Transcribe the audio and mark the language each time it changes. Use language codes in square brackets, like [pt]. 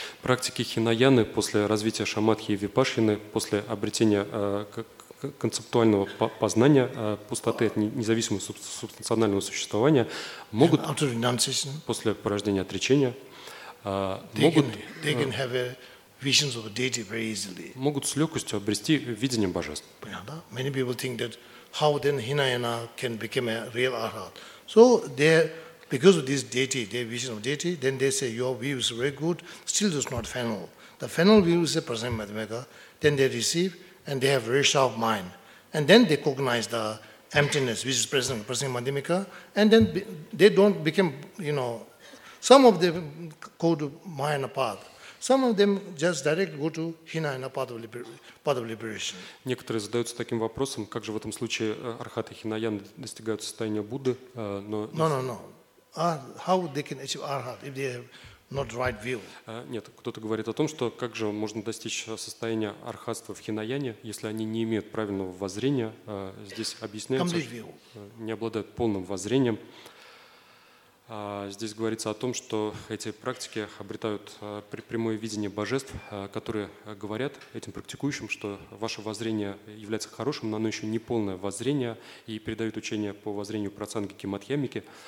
[ru] Практики Хинаяны после развития шамадхи и випашьяны, после обретения концептуального познания пустоты от независимого субстанционального существования, могут после порождения отречения [en] they can have a vision of the deity very easily. [ru] Могут с легкостью обрести видение божеств. [en] Many people think that how then Hinayana can become a real arhat. So they because of this deity, their vision of deity, then they say your view is very good, still does not final. The final view is a Prasangika Madhyamika, then they receive and they have very sharp mind. And then they cognize the emptiness which is present in Prasangika Madhyamika, and then they don't become, some of them go to Mahayana path. Some of them just directly go to Hinayana path of liberation. [ru] Некоторые задаются таким вопросом, как же в этом случае архаты Хинаяны достигают состояния Будды, но... [en] No. How they can achieve arhat if they have not right view? [ru] Нет, кто-то говорит о том, что как же можно достичь состояния архатства в Хинаяне, если они не имеют правильного воззрения. Здесь объясняется, не обладают полным воззрением. Здесь говорится о том, что эти практики обретают прямое видение божеств, которые говорят этим практикующим, что ваше воззрение является хорошим, но оно еще не полное воззрение, и передают учение по воззрению прасангики мадхьямики.